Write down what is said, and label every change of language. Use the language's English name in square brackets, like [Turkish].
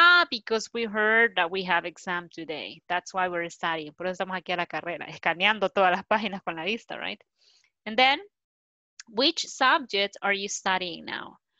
[English] Because we heard that we have exam today. That's why we're studying. [Spanish] Por eso estamos aquí a la carrera, escaneando todas las páginas con la vista, right? [English] And then, which subject are you studying now?